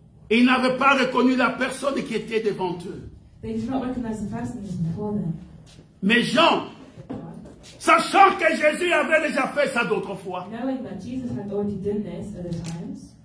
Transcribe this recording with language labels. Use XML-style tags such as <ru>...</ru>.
<fr>Ils n'avaient pas reconnu la personne qui était devant eux.</fr> <en>They did not recognize the person before them.</en> <fr>Mais Jean, sachant que Jésus avait déjà fait ça d'autres fois,</fr> <en>knowing that Jesus had already done this other times,</en>